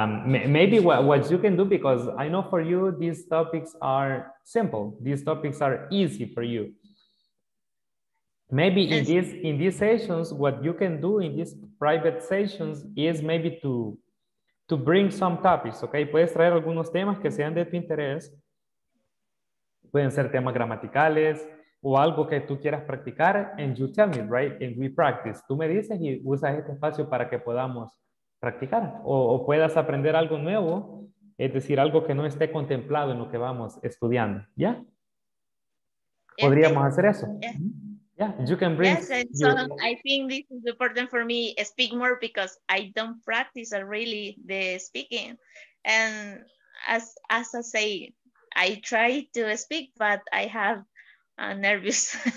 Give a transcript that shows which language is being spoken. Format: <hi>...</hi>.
<en>Maybe what you can do, because I know for you, these topics are simple. These topics are easy for you. Maybe in these sessions, what you can do in these private sessions is maybe to bring some topics, okay?</en> <es>Puedes traer algunos temas que sean de tu interés. Pueden ser temas gramaticales o algo que tú quieras practicar.</es> <en>And you tell me, right? And we practice.</en> <es>Tú me dices y usas este espacio para que podamos practicar o puedas aprender algo nuevo, es decir, algo que no esté contemplado en lo que vamos estudiando, ¿ya? Yes, podríamos hacer eso.</es> <en>Yes. Yeah, you can bring. Yes, and so I think this is important for me, speak more, because I don't practice really the speaking. And as I say, I try to speak, but I have nervous.</en>